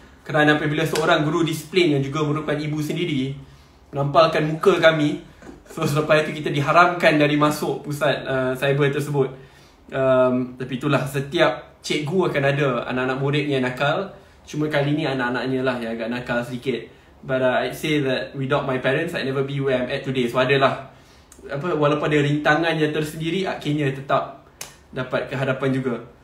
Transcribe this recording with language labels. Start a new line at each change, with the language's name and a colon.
Malay: Kerana apabila seorang guru disiplin yang juga merupakan ibu sendiri menampalkan muka kami, so selepas itu kita diharamkan dari masuk pusat cyber tersebut. Tapi itulah, setiap cikgu akan ada anak-anak murid yang nakal. Cuma kali ni anak-anaknya lah yang agak nakal sedikit.
English: But I say that without my parents, I'd never be where I'm at today.
Malay: So adalah, apa, walaupun ada rintangan yang tersendiri, akhirnya tetap dapat kehadapan juga.